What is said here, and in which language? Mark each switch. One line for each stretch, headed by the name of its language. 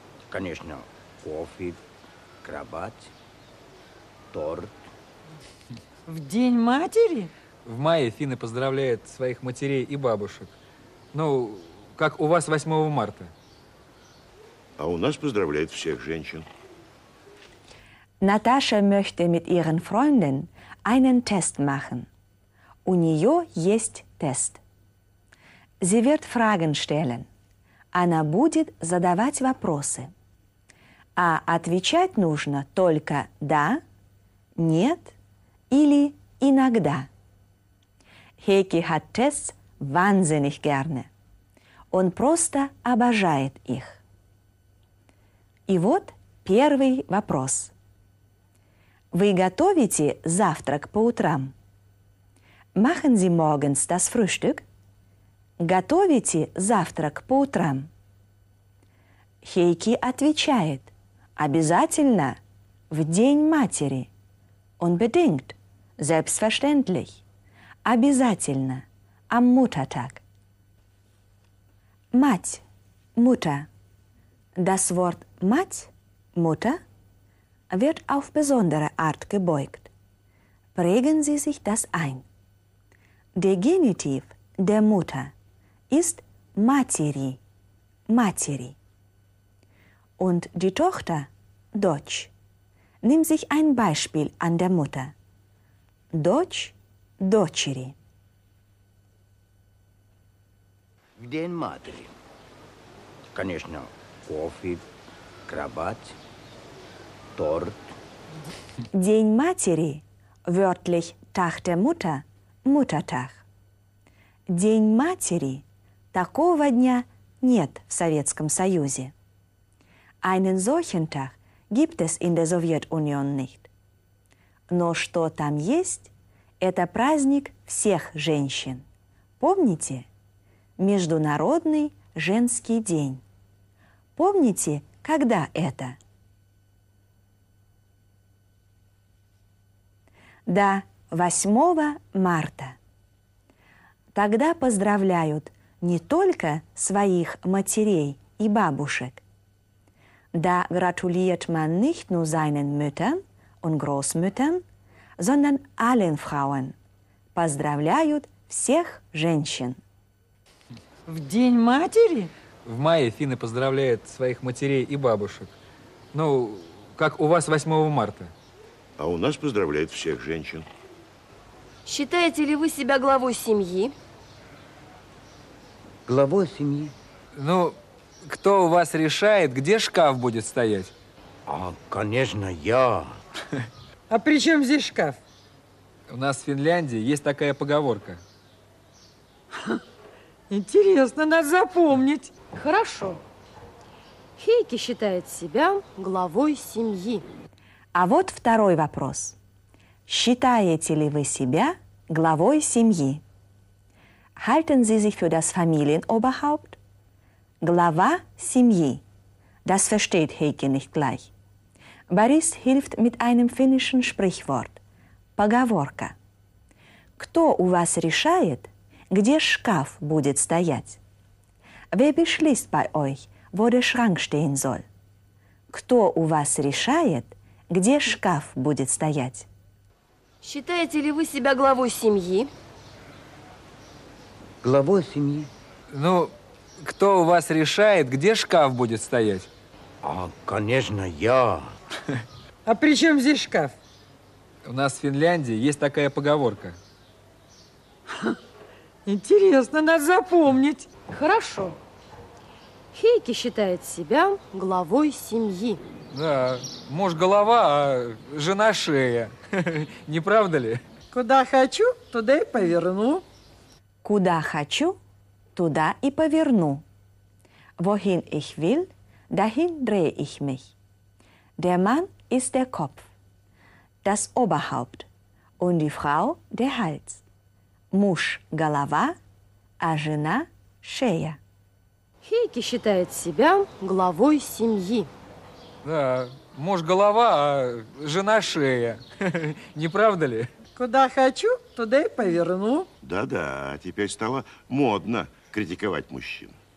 Russian: Конечно, кофе, кровать, торт. В день матери? В мае финны поздравляют своих матерей и бабушек. Ну, как у вас 8 марта. А у нас поздравляют всех женщин. Наташа
German: möchte mit ihren Freunden einen Test machen.
Russian: У нее есть тест.
German: Sie wird Fragen stellen.
Russian: Она будет задавать вопросы. А отвечать нужно только «да», «нет» или «иногда».
German: Хейки hat Tests wahnsinnig gerne.
Russian: Он просто обожает их. И вот первый вопрос. Вы готовите завтрак по утрам?
German: Machen Sie morgens das Frühstück?
Russian: Готовите завтрак по утрам? Хейки отвечает. Обязательно. В день матери.
German: Unbedingt. Selbstverständlich.
Russian: Обязательно.
German: Am Muttertag. Мать. Mutter. Das Wort Мать, Mutter, wird auf besondere Art gebeugt. Prägen Sie sich das ein. Der Genitiv der Mutter ist Матери.
Russian: Матери. Und die Tochter, Дочь. Nimm sich ein Beispiel an der Mutter. Дочь, дочери. В день матери. Конечно, кофе, кровать, торт. День матери,
German: wörtlich Tag der Mutter, Muttertag.
Russian: День матери, такого дня нет в Советском Союзе.
German: Einen solchen Tag gibt es in der Sowjetunion nicht.
Russian: Но что там есть, это праздник всех женщин. Помните? Международный женский день. Помните, когда это? Да, 8 марта. Тогда поздравляют не только своих матерей и бабушек.
German: Da gratuliert man nicht nur seinen Müttern und Großmüttern, sondern allen Frauen.
Russian: Поздравляют всех женщин. В день матери? В мае финны поздравляют своих матерей и бабушек. Ну, как у вас 8 марта. А у нас поздравляют всех женщин. Считаете ли вы себя главой семьи? Главой семьи? Ну, кто у вас решает, где шкаф будет стоять? А, конечно, я. А при чем здесь шкаф? У нас в Финляндии есть такая поговорка. Интересно, надо запомнить. Хорошо. Хейки считает себя главой семьи. А вот второй вопрос. Считаете ли вы себя главой семьи?
German: Halten Sie sich für das Familienoberhaupt?
Russian: Глава семьи.
German: Das versteht Heike nicht gleich. Борис hilft mit einem finnischen Sprichwort.
Russian: Поговорка. Кто у вас решает, где шкаф будет стоять?
German: Wer beschließt bei euch, wo der Schrank stehen soll?
Russian: Кто у вас решает, где шкаф будет стоять? Считаете ли вы себя главой семьи? Главой семьи? Ну, кто у вас решает, где шкаф будет стоять? А, конечно, я. А при чем здесь шкаф? У нас в Финляндии есть такая поговорка. Интересно, надо запомнить. Хорошо. Хейки считает себя главой семьи. Да, муж голова, а жена шея. Не правда ли? Куда хочу, туда и поверну. Куда хочу, туда и поверну.
German: Wohin ich will, dahin drehe ich mich. Der Mann ist der Kopf, das Oberhaupt und die Frau der Hals.
Russian: Муж – голова, а жена – шея. Хейки считает себя главой семьи. Да, муж – голова, а жена – шея. Не правда ли? Куда хочу, туда и поверну. Да-да, теперь стало модно критиковать мужчин.